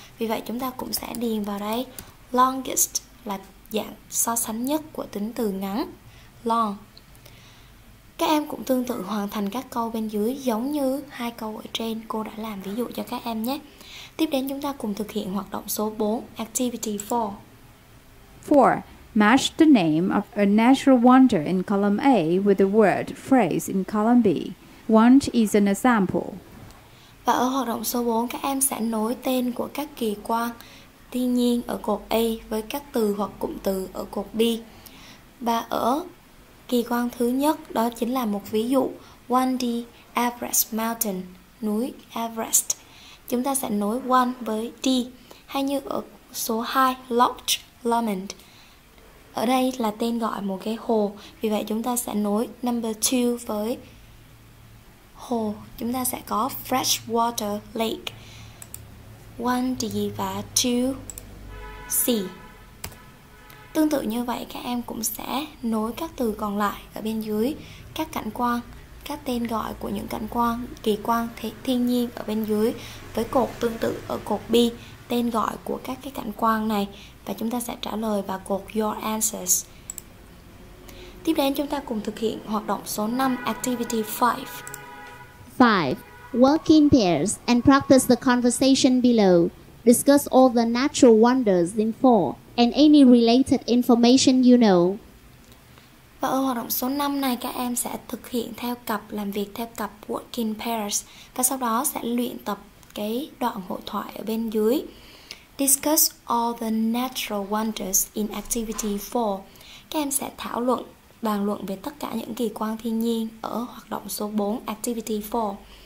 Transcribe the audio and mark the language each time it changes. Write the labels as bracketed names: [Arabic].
[Vietnamese] Vì vậy chúng ta cũng sẽ điền vào đây longest, là dạng so sánh nhất của tính từ ngắn, long. Các em cũng tương tự hoàn thành các câu bên dưới giống như hai câu ở trên cô đã làm ví dụ cho các em nhé. Tiếp đến chúng ta cùng thực hiện hoạt động số 4, Activity 4. 4. [English] Match the name of a natural wonder in column A with the word phrase in column B. Want is an example. [Vietnamese] Và ở hoạt động số 4, các em sẽ nối tên của các kỳ quan thiên nhiên ở cột A với các từ hoặc cụm từ ở cột B. Và ở kỳ quan thứ nhất, đó chính là một ví dụ 1D Everest Mountain, núi Everest. Chúng ta sẽ nối 1 với D, hay như ở số 2, Loch Lomond. Ở đây là tên gọi một cái hồ, vì vậy chúng ta sẽ nối number 2 với hồ. Chúng ta sẽ có Freshwater Lake, 1D và 2C. Tương tự như vậy, các em cũng sẽ nối các từ còn lại ở bên dưới, các cảnh quan, các tên gọi của những cảnh quan, kỳ quan thiên nhiên ở bên dưới với cột tương tự ở cột B, tên gọi của các cái cảnh quan này, và chúng ta sẽ trả lời vào cột Your Answers. Tiếp đến chúng ta cùng thực hiện hoạt động số 5, Activity 5. 5. [English] Work in pairs and practice the conversation below. Discuss all the natural wonders in 4 and any related information you know. [Vietnamese] Và ở hoạt động số 5 này, các em sẽ thực hiện theo cặp, làm việc theo cặp [English] work in pairs, [Vietnamese] và sau đó sẽ luyện tập cái đoạn hội thoại ở bên dưới. [English] Discuss all the natural wonders in activity 4. [Vietnamese] Các em sẽ thảo luận, bàn luận về tất cả những kỳ quan thiên nhiên ở hoạt động số 4, activity 4.